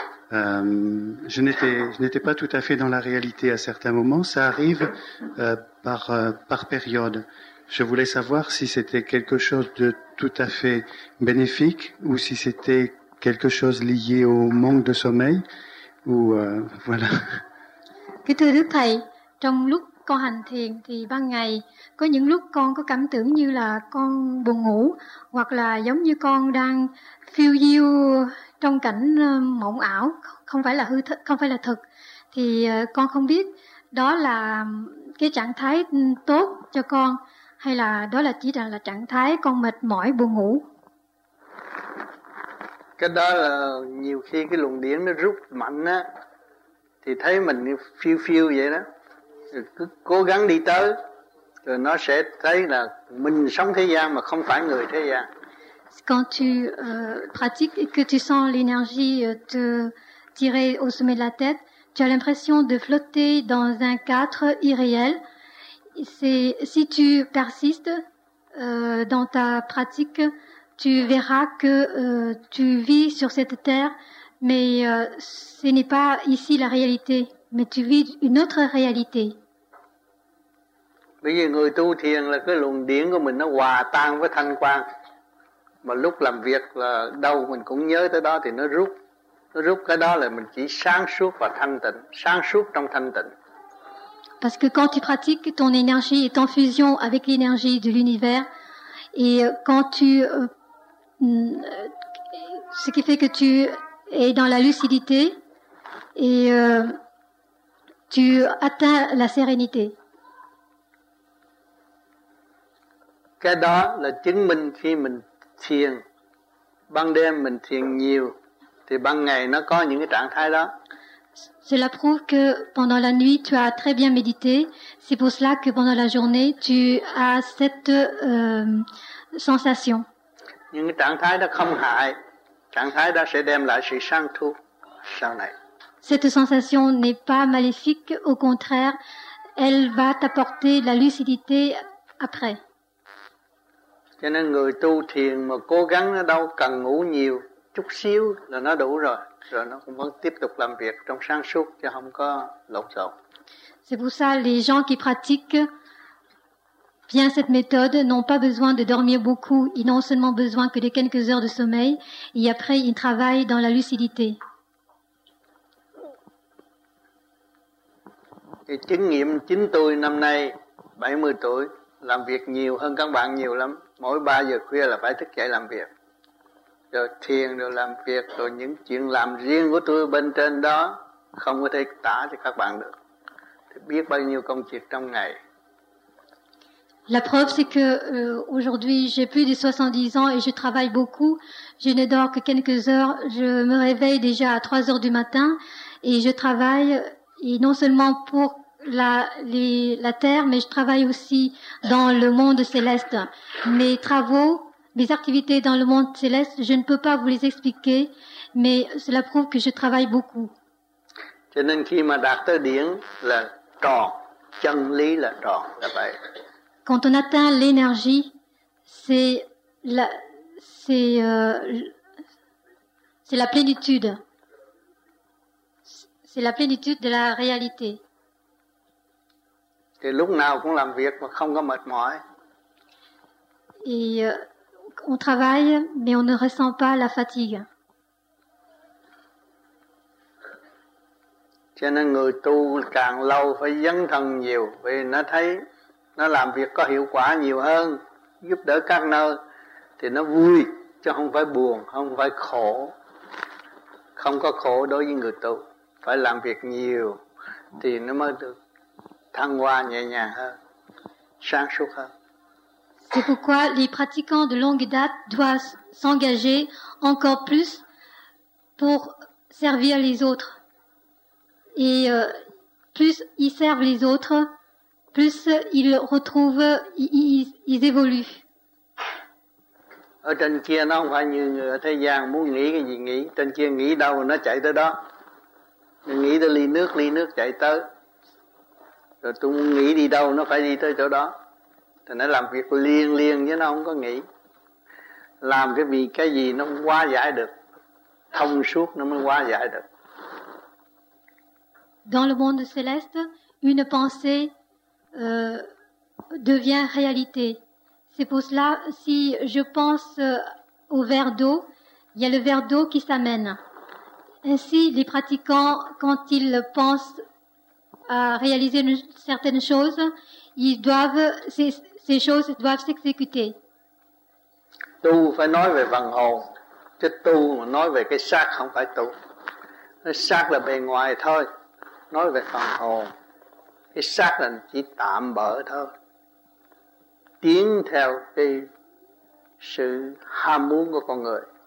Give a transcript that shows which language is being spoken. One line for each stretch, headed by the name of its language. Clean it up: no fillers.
French: Je n'étais pas tout à fait dans la réalité à certains moments. Ça arrive par période. Je voulais savoir si c'était quelque chose de tout à fait bénéfique ou si c'était quelque chose lié au manque de sommeil ou voilà.
Vietnamese: Kính thưa Đức Thầy, trong lúc con hành thiền thì ban ngày có những lúc con có cảm tưởng như là con buồn ngủ hoặc là giống như con đang phiêu diêu trong cảnh mộng ảo, không phải là hư thực, không phải là thực, thì con không biết đó là cái trạng thái tốt cho con hay là đó là chỉ là trạng thái con mệt mỏi buồn ngủ. Cái đó là nhiều khi cái luồng điển nó rút mạnh á thì thấy mình phiêu phiêu vậy đó, cứ cố gắng đi tới rồi nó sẽ thấy là mình sống thế gian mà không phải người thế gian.
French: Quand tu pratiques et que tu sens l'énergie te tirer au sommet de la tête, tu as l'impression de flotter dans un cadre irréel. C'est, si tu persistes dans ta pratique, tu verras que tu vis sur cette terre, mais ce n'est pas ici la réalité, mais tu vis une autre réalité.
Vietnamese: Bởi vì người tu thiền là cái luồng điển của mình nó hòa tan với thanh quang. Mà lúc làm việc là đâu mình cũng nhớ tới đó thì nó rút. Nó rút cái đó là mình chỉ sáng suốt và thanh tịnh, sáng suốt trong thanh tịnh.
French: Parce que quand tu pratiques, ton énergie est en fusion avec l'énergie de l'univers. Et quand tu... ce qui fait que tu es dans la lucidité et tu atteins la sérénité.
Vietnamese: Cái đó là chứng minh khi mình thiền, ban đêm mình thiền nhiều, thì ban ngày nó có những cái trạng thái đó.
French: Cela prouve que pendant la nuit tu as très bien médité. C'est pour cela que pendant la journée tu as cette sensation.
Vietnamese: Những trạng thái đó không hại, trạng thái đó sẽ đem lại sự sáng suốt sau này.
French: Cette sensation n'est pas maléfique, au contraire, elle va t'apporter la lucidité après.
Vietnamese: Cho nên người tu thiền mà cố gắng nó đâu cần ngủ nhiều, chút xíu là nó đủ rồi. Rồi nó cũng vẫn tiếp tục làm việc trong sáng suốt chứ không có lộn xộn.
French: C'est pour ça les gens qui pratiquent bien cette méthode n'ont pas besoin de dormir beaucoup, ils n'ont seulement besoin que de quelques heures de sommeil et après ils travaillent dans la lucidité.
Vietnamese: Cái kinh nghiệm chính tôi năm nay 70 tuổi làm việc nhiều hơn các bạn nhiều lắm. Mỗi 3 giờ khuya là phải thức dậy làm việc. Rồi thiền rồi làm việc rồi những chuyện làm riêng của tôi bên trên đó không có thể tả cho các bạn được. Thì biết bao nhiêu công việc trong ngày.
French: La preuve c'est que aujourd'hui j'ai plus de 70 ans et je travaille beaucoup. Je ne dors que quelques heures, je me réveille déjà à 3 heures du matin et je travaille et non seulement pour la terre, mais je travaille aussi dans le monde céleste. Mes travaux, mes activités dans le monde céleste, je ne peux pas vous les expliquer, mais cela prouve que je travaille beaucoup.
Vietnamese: Cho nên khi mà đạt tới điển là tròn, chân lý là tròn, là vậy.
French: Quand on atteint l'énergie, c'est la plénitude. C'est la plénitude de la réalité.
Vietnamese: Thì lúc nào cũng làm việc mà không có mệt mỏi.
French: Et on travaille mais on ne ressent pas la fatigue.
Vietnamese: Cho nên người tu càng lâu phải dấn thân nhiều vì nó thấy nó làm việc có hiệu quả nhiều hơn, giúp đỡ các nơi thì nó vui chứ không phải buồn, không phải khổ. Không có khổ đối với người tu, phải làm việc nhiều thì nó mới được thăng hoa nhẹ nhàng hơn, sáng suốt hơn.
French: C'est pourquoi les pratiquants de longue date doivent s'engager encore plus pour servir les autres. Et plus ils servent les autres, plus ils retrouvent, ils évoluent.
Vietnamese: Ở trên kia nó không phải như người ở thế gian muốn nghĩ cái gì nghĩ, trên kia nghĩ đâu nó chạy tới đó. Mình nghĩ tới ly nước chạy tới. Rồi tôi muốn nghĩ đi đâu nó phải đi tới chỗ đó. Thì nó làm việc liên liên chứ nó không có nghĩ. Làm cái vì cái gì nó không hóa giải được. Thông suốt nó mới hóa giải được.
French: Dans le monde céleste, une pensée devient réalité. C'est pour cela, si je pense au verre d'eau, il y a le verre d'eau qui s'amène. Ainsi, les pratiquants, quand ils pensent réaliser certaines choses, ils doivent ces choses doivent s'exécuter.
Vietnamese: Tu phải nói về phần hồn, chứ tu mà nói về cái xác không phải tu. Cái xác là bề ngoài thôi, nói về phần hồn. Cái xác là chỉ tạm bợ thôi. Tiến theo cái sự ham muốn của con người.